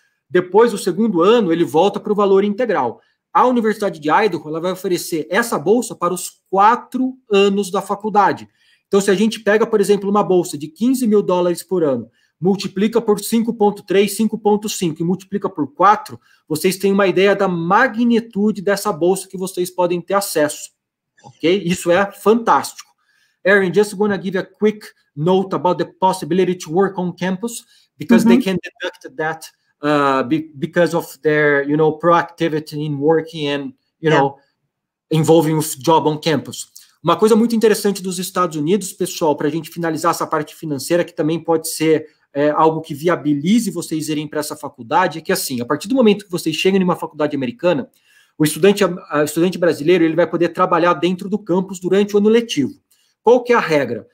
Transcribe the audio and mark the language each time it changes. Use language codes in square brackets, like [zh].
[pt] Depois, o segundo ano, ele volta para o valor integral. A Universidade de Idaho, ela vai oferecer essa bolsa para os 4 anos da faculdade. Então, se a gente pega, por exemplo, uma bolsa de US$15 mil por ano, multiplica por 5,3, 5,5 e multiplica por 4, vocês têm uma ideia da magnitude dessa bolsa que vocês podem ter acesso, ok? Isso é fantástico. [en] Erin, just going to give a quick note about the possibility to work on campus, because they can deduct that because of their, you know, proactivity in working and, you know, involving with job on campus. [pt] Uma coisa muito interessante dos Estados Unidos, pessoal, para a gente finalizar essa parte financeira, que também pode ser algo que viabilize vocês irem para essa faculdade, é que assim, a partir do momento que vocês chegam em uma faculdade americana, o estudante brasileiro, ele vai poder trabalhar dentro do campus durante o ano letivo. Qual que é a regra?